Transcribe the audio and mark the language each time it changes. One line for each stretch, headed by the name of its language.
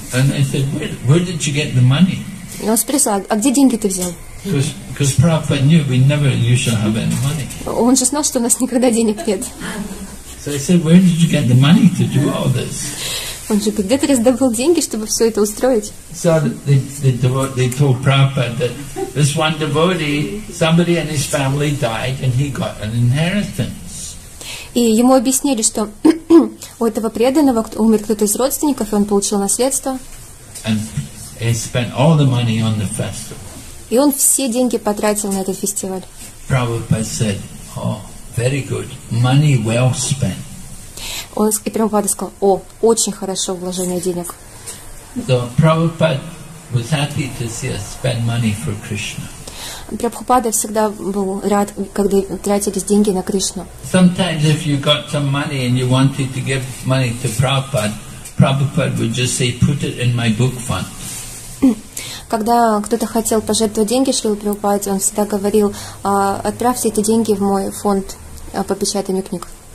English: And I said, where did you get the money?
Russian: И он спросил, а где деньги ты взял?
English: Because Prabhupada knew we never usually have any money.
Russian: Он же знал, что у нас никогда денег нет.
English: So I said, where did you get the money to do all this?
Russian: Он же говорит, где ты раздобыл деньги, чтобы все это устроить?
English: So they told Prabhupada that this one devotee, somebody in his family died and he got an inheritance.
Russian: И ему объяснили, что у этого преданного умер кто-то из родственников, и он получил наследство.
English: And he spent all the money on the festival.
Russian: И он все деньги потратил на этот фестиваль.
English: Prabhupada said, very good, money well spent.
Russian: Он и Прабхупада сказал, очень хорошо вложение денег.
English: So Prabhupada was happy to see us spend money for Krishna.
Russian: Прабхупада всегда был рад, когда тратились деньги на Кришну.
English: Sometimes if you got some money and you wanted to give money to Prabhupada would just say, put it in my book fund.
Russian: Когда кто-то хотел пожертвовать деньги Шрилу Прабхупаде, он всегда говорил, отправьте эти деньги в мой фонд по печатанию книг.